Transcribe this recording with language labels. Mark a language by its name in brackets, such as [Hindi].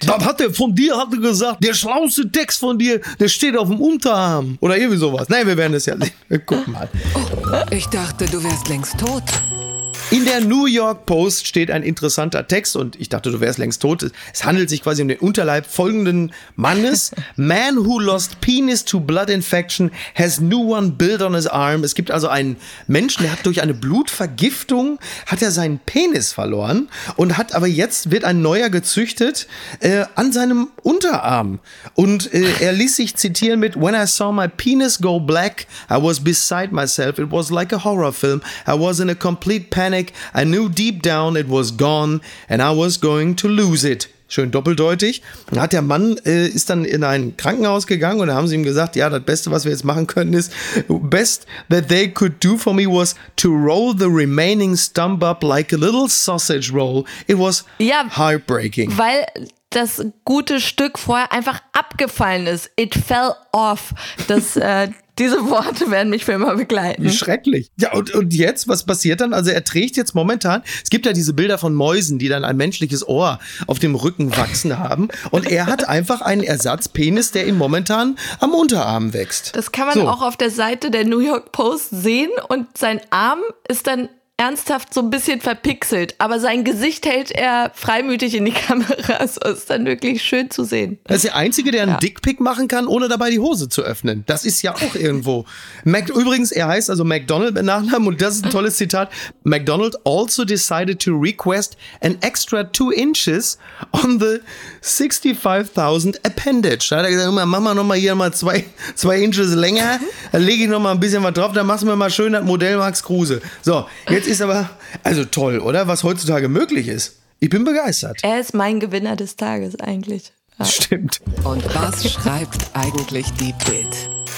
[German] Was hat er von dir, hat er gesagt, der schlauste Text von dir, der steht auf dem Unterarm. Oder irgendwie sowas. Nein, wir werden es ja sehen. Guck mal. Ich dachte, du wärst längst tot. In der New York Post steht ein interessanter Text und ich dachte, du wärst längst tot. Es handelt sich quasi um den Unterleib folgenden Mannes. [English] Man who lost penis to blood infection has new one built on his arm. [German] Es gibt also einen Menschen, der hat durch eine Blutvergiftung, hat er seinen Penis verloren und hat aber jetzt, wird ein neuer gezüchtet an seinem Unterarm. Und er ließ sich zitieren mit [English] When I saw my penis go black, I was beside myself. It was like a horror film. I was in a complete panic. I knew deep down it was gone and I was going to lose it. [German] Schön doppeldeutig. Dann hat der Mann, ist dann in ein Krankenhaus gegangen und da haben sie ihm gesagt, ja, das Beste, was wir jetzt machen können, ist, [English] best that they could do for me was to roll the remaining stump up like a little sausage roll. It was heartbreaking. [German] Weil das gute Stück vorher einfach abgefallen ist. [English] It fell off. [German] Das diese Worte werden mich für immer begleiten. Schrecklich. Ja, und jetzt, was passiert dann? Also er trägt jetzt momentan, es gibt ja diese Bilder von Mäusen, die dann ein menschliches Ohr auf dem Rücken wachsen haben. Und er hat einfach einen Ersatzpenis, der ihm momentan am Unterarm wächst. Das kann man auch auf der Seite der New York Post sehen. Und sein Arm ist dann ernsthaft so ein bisschen verpixelt, aber sein Gesicht hält er freimütig in die Kamera, so ist dann wirklich schön zu sehen. Das ist der Einzige, der einen Dickpick machen kann, ohne dabei die Hose zu öffnen. Das ist ja auch irgendwo. Übrigens, er heißt also McDonald mit Nachnamen und das ist ein tolles Zitat. [English] McDonald also decided to request an extra 2 inches on the 65,000 appendage. [German] Da hat er gesagt, mach mal nochmal hier mal 2 inches länger, da lege ich nochmal ein bisschen was drauf, dann machen wir mal schön das Modell Max Kruse. So, jetzt ist aber, also toll, oder? Was heutzutage möglich ist. Ich bin begeistert. Er ist mein Gewinner des Tages eigentlich. Ja. Stimmt. Und was schreibt eigentlich die Bild?